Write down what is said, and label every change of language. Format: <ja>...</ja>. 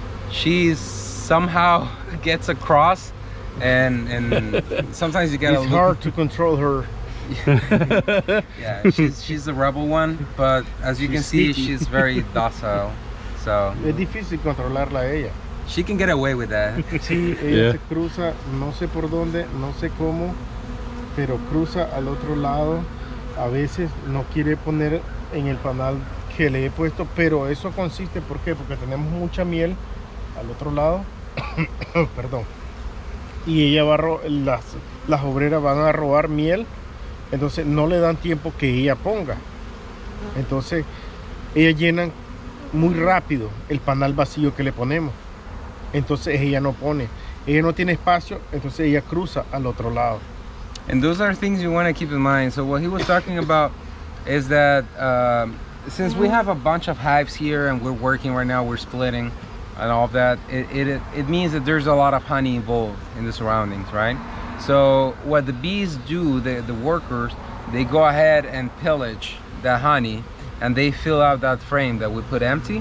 <en>She somehow gets across. And sometimes you gotta. It's hard to control her. she's the rebel one, but as you can see, she's very docile. So.</en> <es>Es difícil controlarla ella.</es> <en>She can get away with that.</en> <es>Sí, ella se cruza, no sé por dónde, no sé cómo, pero cruza al otro lado. A veces no quiere poner en el panal que le he puesto, pero eso consiste, ¿por qué? Porque tenemos mucha miel al otro lado. Perdón. Y ella va a las obreras van a robar miel, entonces no le dan tiempo que ella ponga. Entonces, ellas llenan muy rápido el panal vacío que le ponemos. Entonces, ella no pone. Ella no tiene espacio, entonces ella cruza al otro lado.</es> <en>And those are things you want to keep in mind. So what he was talking about is that since we have a bunch of hives here and we're working right now, we're splitting and all of that, it means that there's a lot of honey involved in the surroundings, right? So what the bees do, the workers, they go ahead and pillage that honey, and they fill out that frame that we put empty,</en>